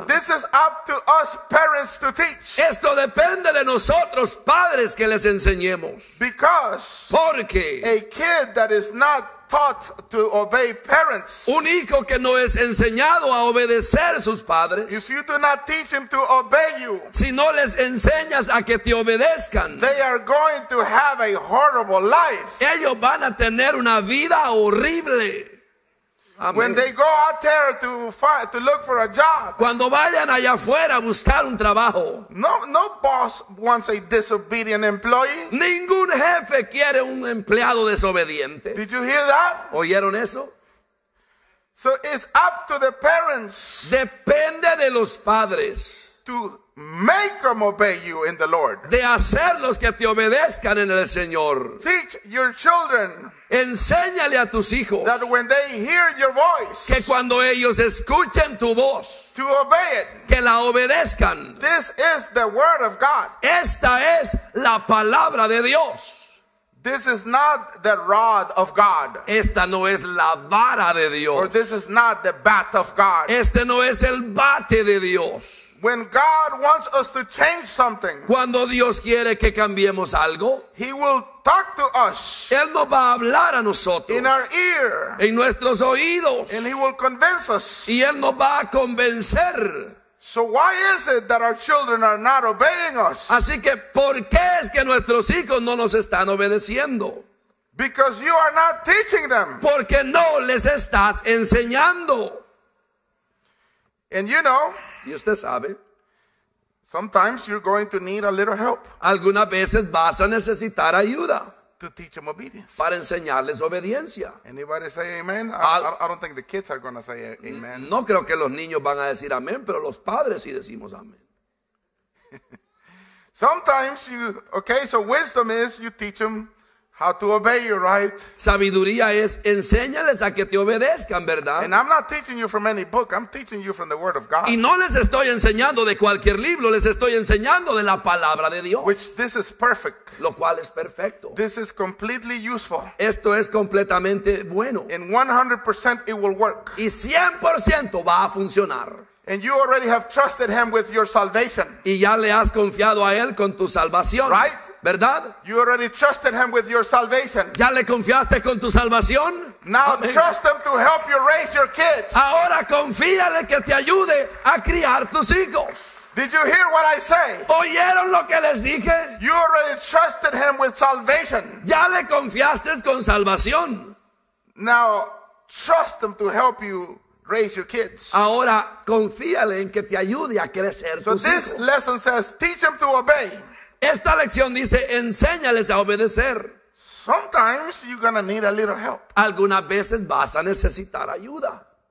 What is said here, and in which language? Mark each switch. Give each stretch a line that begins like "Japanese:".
English: So this is up to us parents to teach.
Spanish: Esto depende de nosotros padres que les enseñemos.
English: Because
Spanish: porque
English: a kid that is not taught to obey parents.
Spanish: Un hijo que no es enseñado a obedecer sus padres.
English: If you do not teach him to obey you,
Spanish: si no les enseñas a que te obedezcan,
English: they are going to have a horrible life.
Spanish: Ellos van a tener una vida horrible.
English: Amen. When they go out there to look for a job,
Spanish: cuando vayan allá afuera a buscar un trabajo,
English: no boss wants a disobedient employee.
Spanish: Ningún jefe quiere un empleado desobediente.
English: Did you hear that?
Spanish: ¿Oyeron eso?
English: So it's up to the parents.
Spanish: Depende de los padres.
English: To make them obey you in the Lord.
Spanish: De hacerlos que te obedezcan en el Señor.
English: Teach your children.
Spanish: Enséñale a tus hijos
English: that when they hear your voice,
Spanish: que cuando ellos escuchen tu voz,
English: to obey it,
Spanish: que la obedezcan.
English: This is the word of God.
Spanish: Esta es la palabra de Dios.
English: This is not the rod of God.
Spanish: Esta no es la vara de Dios.
English: Or this is not the bat of God.
Spanish: Este no es el bate de Dios.
English: When God wants us to change something,
Spanish: cuando Dios quiere que cambiemos algo,
English: he will talk to us.
Spanish: Él nos va a hablar a nosotros.
English: In our ear.
Spanish: En nuestros oídos.
English: And he will convince us.
Spanish: Y él nos va a convencer.
English: So why is it that our children are not obeying us?
Spanish: Así que, ¿por qué es que nuestros hijos no nos están obedeciendo?
English: Because you are not teaching them.
Spanish: Porque no les estás enseñando.
English: And you know,
Spanish: y usted sabe,
English: sometimes you're going to need a little help.
Spanish: Algunas veces vas a necesitar ayuda.
English: To teach them obedience.
Spanish: Para enseñarles obediencia.
English: Anybody say amen? I don't think the kids are going to say amen.
Spanish: No creo que los niños van a decir amén, pero los padres sí decimos amén.
English: Sometimes you, okay, so wisdom is you teach them How to obey you, right?
Spanish: Sabiduría es enséñales a que te obedezcan, ¿verdad?
English: And I'm not teaching you from any book. I'm teaching you from the Word of God.
Spanish: Y no les estoy enseñando de cualquier libro. Les estoy enseñando de la palabra de Dios.
English: Which this is perfect.
Spanish: Lo cual es perfecto.
English: This is completely useful.
Spanish: Esto es completamente bueno.
English: And 100% it will work.
Spanish: Y 100% va a funcionar.
English: And you already have trusted him with your salvation.
Spanish: Y ya le has confiado a él con tu salvación.
English: Right?
Spanish: ¿Verdad?
English: You already trusted him with your salvation.
Spanish: ¿Ya le confiaste con tu salvación?
English: Now Amen. Trust him to help you raise your kids.
Spanish: Ahora confíale que te ayude a criar tus hijos.
English: Did you hear what I say?
Spanish: ¿Oyeron lo que les dije?
English: You already trusted him with salvation.
Spanish: ¿Ya le confiaste con salvación?
English: Now trust him to help you raise your kids.
Spanish: Ahora confíale en que te ayude a crecer tus hijos.
English: So this lesson says, teach them to obey.
Spanish: Esta lección dice, enséñales a obedecer.
English: Sometimes you're gonna need a little help.
Spanish: Algunas veces vas a necesitar ayuda.